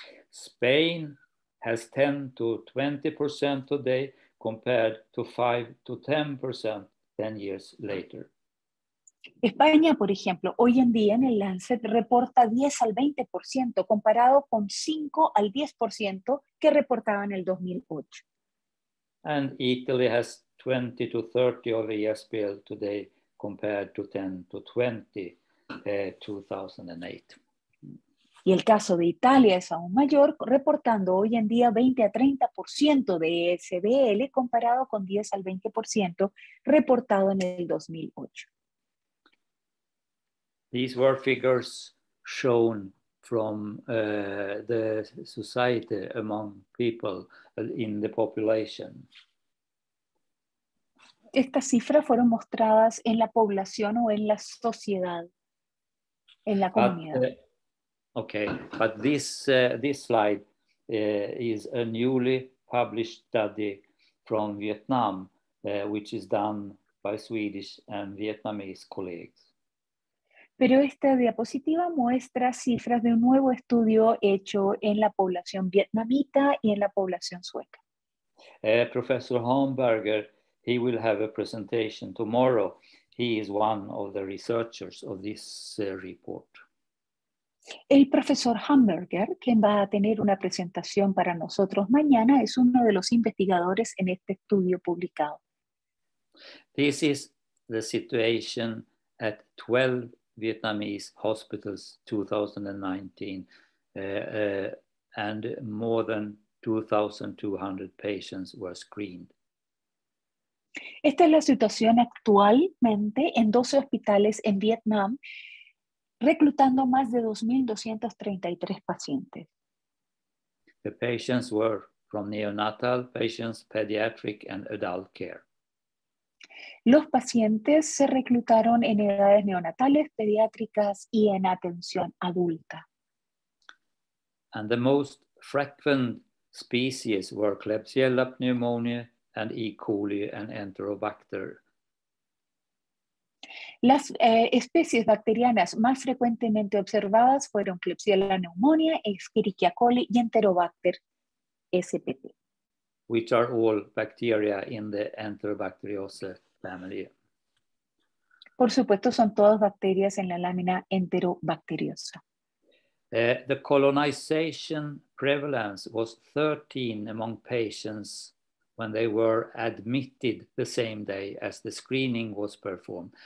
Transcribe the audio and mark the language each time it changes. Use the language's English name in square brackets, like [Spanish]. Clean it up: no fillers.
[English] Spain has 10 to 20% today compared to 5 to 10% 10 years later. [Spanish] España, por ejemplo, hoy en día en el Lancet reporta 10 al 20% comparado con 5 al 10% que reportaba en el 2008. [English] And Italy has 20 to 30 of ESBL today compared to 10 to 20 2008. [Spanish] Y el caso de Italia es aún mayor, reportando hoy en día 20 a 30% de ESBL comparado con 10 al 20% reportado en el 2008. [English] These were figures shown from the society among people in the population. [Spanish] Estas cifras fueron mostradas en la población o en la sociedad, en la comunidad. [English] Okay, but this slide is a newly published study from Vietnam, which is done by Swedish and Vietnamese colleagues. [Spanish] Pero esta diapositiva muestra cifras de un nuevo estudio hecho en la población vietnamita y en la población sueca. [English] Professor Homberger, he will have a presentation tomorrow. He is one of the researchers of this report. [Spanish] El profesor Homberger, quien va a tener una presentación para nosotros mañana, es uno de los investigadores en este estudio publicado. [English] This is the situation at 12 Vietnamese hospitals 2019 and more than 2,200 patients were screened. [Spanish] Esta es la situación actualmente en 12 hospitales en Vietnam reclutando más de 2,233 pacientes. [English] The patients were from neonatal patients, pediatric and adult care. [Spanish] Los pacientes se reclutaron en edades neonatales, pediátricas y en atención adulta. [English] And the most frequent species were Klebsiella pneumoniae and E. coli and Enterobacter. [Spanish] Las especies bacterianas más frecuentemente observadas fueron Klebsiella pneumoniae, Escherichia coli y Enterobacter spp. [English] Which are all bacteria in the Enterobacteriaceae. Family. [Spanish] Por supuesto, son todas bacterias en la lámina enterobacteriosa. [English] The colonization prevalence was 13 among patients when they were admitted the same day as the screening was performed.